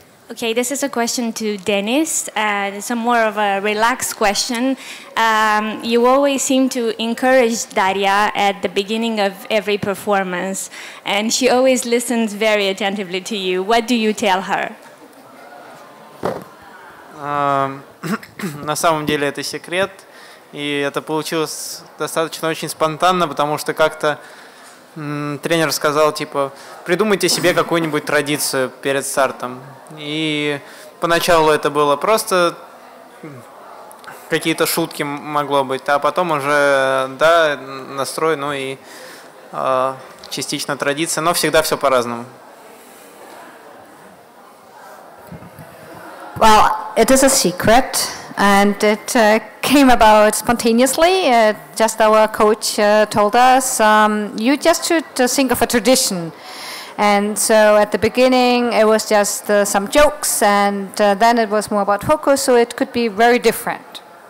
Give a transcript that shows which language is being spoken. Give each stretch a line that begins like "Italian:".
English: Okay, this is a question to Dennis. It's a more of a relaxed question. You always seem to encourage Daria at the beginning of every performance, and she always listens very attentively to you. What do you tell her?
Russian: На самом деле это секрет, и это получилось достаточно очень спонтанно, потому что как-то тренер сказал, типа, придумайте себе какую-нибудь традицию перед стартом. И поначалу это было просто какие-то шутки могло быть, а потом уже, да, настрой, ну и частично традиция, но всегда все по-разному.
English: Well, it is a secret, and it came about spontaneously. Just our coach told us, you just should think of a tradition. And so at the beginning, it was just some jokes, and then it was more about focus, so it could be very different.